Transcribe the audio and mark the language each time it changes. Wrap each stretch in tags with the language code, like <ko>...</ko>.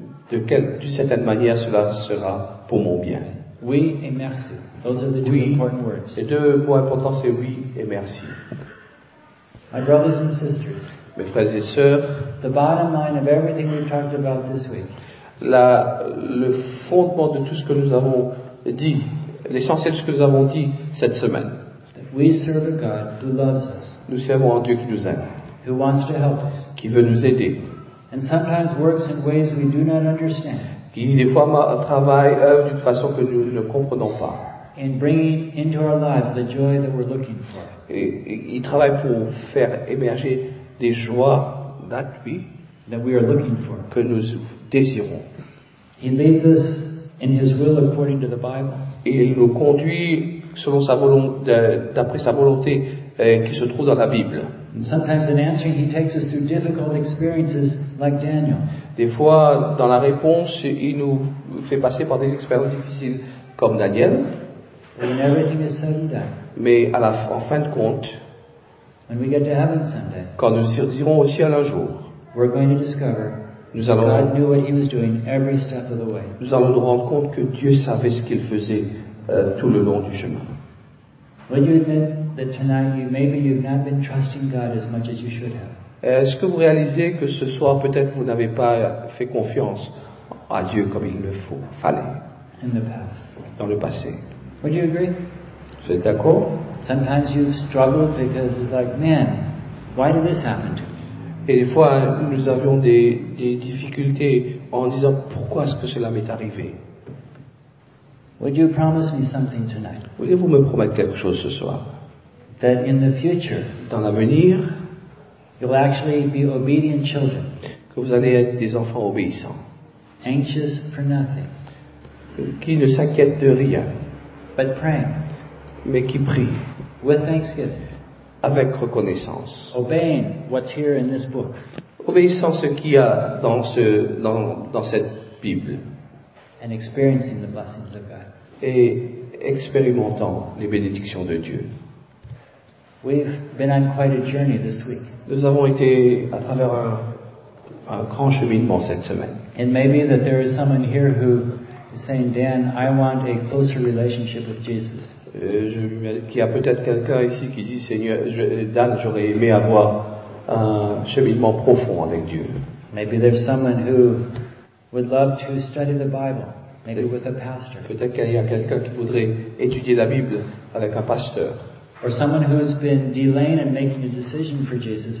<fr>D'une certaine manière, cela sera pour mon bien. Oui et merci.</fr> <en>Those are the two important words.</en> <fr>Les deux mots importants, c'est oui et merci.</fr> <en>My brothers and sisters.</en> <fr>Mes frères et sœurs.</fr> <en>The bottom line of everything we've talked about this week.</en> <fr>Le fondement de tout ce que nous avons dit, l'essentiel de ce que nous avons dit cette semaine.</fr> <en>We serve a God who loves us.</en> <fr>Nous servons un Dieu qui nous aime.</fr> <en>Who wants to help us.</en> <fr>Qui veut nous aider.</fr> <en>And sometimes works in ways we do not understand.</en> <fr>Qui des fois travaille, œuvre d'une façon que nous ne comprenons pas.</fr> <en>And bringing into our lives the joy that we're looking for.</en> <fr>Et il travaille pour faire émerger des joies</fr> <en>that we are looking for.</en> <fr>Que nous désirons.</fr> <en>He leads us in his will according to the Bible.</en> <fr>Il nous conduit selon sa volonté, d'après sa volonté qui se trouve dans la Bible.</fr> <en>And sometimes in answering, he takes us through difficult experiences like Daniel.</en> <fr>Des fois, dans la réponse, il nous fait passer par des expériences difficiles comme Daniel.</fr> <en>When everything is said and done.</en> <fr>Mais à la fin, en fin de compte,</fr> <en>when we get to heaven someday,</en> <fr>quand nous irons au ciel un jour,</fr> <en>we're going to discover</en> <fr>nous allons,</fr> <en>God knew what he was doing every step of the way.</en> <fr>Nous allons nous rendre compte que Dieu savait ce qu'il faisait tout le long du chemin.</fr> <en>Would you admit that tonight you, maybe you've not been trusting God as much as you should have?</en> <fr>Est-ce que vous réalisez que ce soir peut-être vous n'avez pas fait confiance à Dieu comme il le faut, fallait</fr> <en>in the past.</en> <fr>Dans le passé?</fr> <en>Would you agree?</en> <fr>Vous êtes d'accord?</fr> <en>Sometimes you've struggled because it's like, man, why did this happen to me?</en> <fr>Et des fois, nous avions des difficultés en disant pourquoi est-ce que cela m'est arrivé?</fr> <en>Would you promise me something tonight?</en> <fr>Voulez-vous me promettre quelque chose ce soir?</fr> <en>That in the future,</en> <fr>dans l'avenir,</fr> <en>you'll actually be obedient children.</en> <fr>Que vous allez être des enfants obéissants.</fr> <en>Anxious for nothing.</en> <fr>Qui ne s'inquiète de rien.</fr> <en>But praying.</en> <fr>Mais qui prie.</fr> <en>With thanksgiving.</en> <fr>Avec reconnaissance.</fr> <en>Obeying what's here in this book.</en> <fr>Obéissant ce qu'il y a dans ce dans cette Bible.</fr> <en>And experiencing the blessings of God.</en> <fr>Et expérimentant les bénédictions de Dieu.</fr> <en>We've been on quite a journey this week.</en> <fr>Nous avons été à travers un grand cheminement cette semaine.</fr> <en>And maybe that there is someone here who is saying, Dan, I want a closer relationship with Jesus.</en> <fr>Qui a peut-être quelqu'un ici qui dit, Seigneur, Dan, j'aurais aimé avoir un cheminement profond avec Dieu.</fr> <en>Maybe there's someone who would love to study the Bible, maybe with a pastor.</en> <fr>Peut-être qu'il y a quelqu'un qui voudrait étudier la Bible avec un pasteur.</fr> <en>Or someone who has been delaying and making a decision for Jesus.</en>